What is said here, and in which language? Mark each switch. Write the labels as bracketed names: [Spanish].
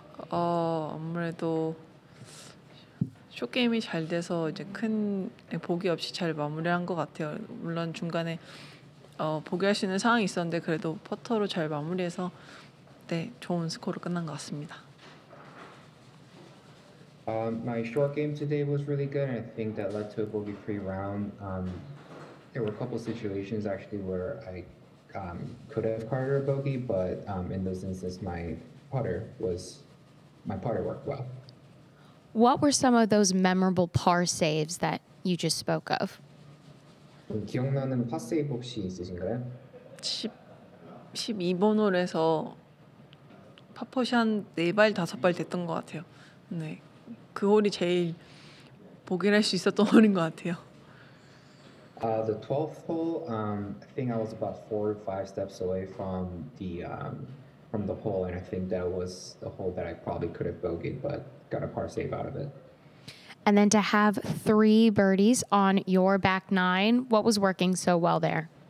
[Korean] 아무래도 쇼 게임이 잘 돼서 이제 큰 보기 없이 잘 마무리한 것 같아요. 물론 중간에 보기할 수 있는 상황이 있었는데 그래도 퍼터로 잘 마무리해서 네 좋은 스코어로 끝난 것 같습니다. [English] My short game today was really good, and I think that led to a bogey-free round. There were a couple situations actually where I could have carded a bogey, but in those instances, my putter worked well. What were some of those memorable par saves that you just spoke of? [Korean] 기억나는 파 세이브 혹시 있으신가요? 12번 홀에서 파퍼시 한 네 발 다섯 발 됐던 것 같아요. 네. 그 홀이 제일 보기를 할 수 있었던 홀인 것 같아요. [English] The 12th hole, I think I was about 4 or 5 steps away from the hole, and I think that was the hole that I probably could have bogeyed, but got a par save out of it. And then to have 3 birdies on your back nine, what was working so well there?